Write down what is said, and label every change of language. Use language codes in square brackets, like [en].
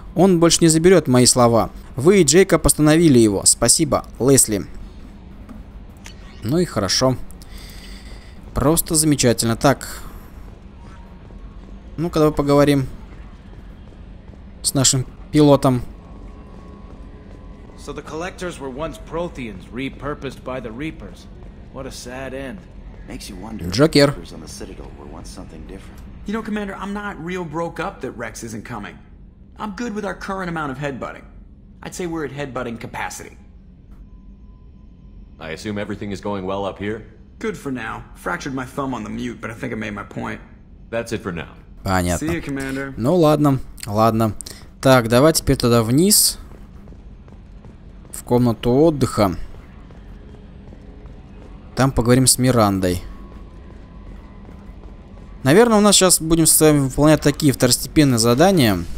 [ru] Он больше не заберет мои слова. Вы и Джейка постановили его. Спасибо, Лесли. Ну и хорошо. Просто замечательно. Так. Ну-ка давай поговорим с нашим пилотом. [en] So the collectors were once Protheans, repurposed by the Reapers. What a sad end. Makes you wonder. Джокер. You know, Commander, I'm not real broke up that Rex isn't coming. I'm good with our current amount of headbutting. I'd say we're at headbutting capacity. I assume everything is going well up here? Good for now. Fractured my thumb on the mute, but I think I made my point. That's it for now. [ru] Понятно. [en] See you, Commander. [ru] Ну ладно, ладно. Так, давай теперь туда вниз. В комнату отдыха. Там поговорим с Мирандой. Наверное, у нас сейчас будем с вами выполнять такие второстепенные задания.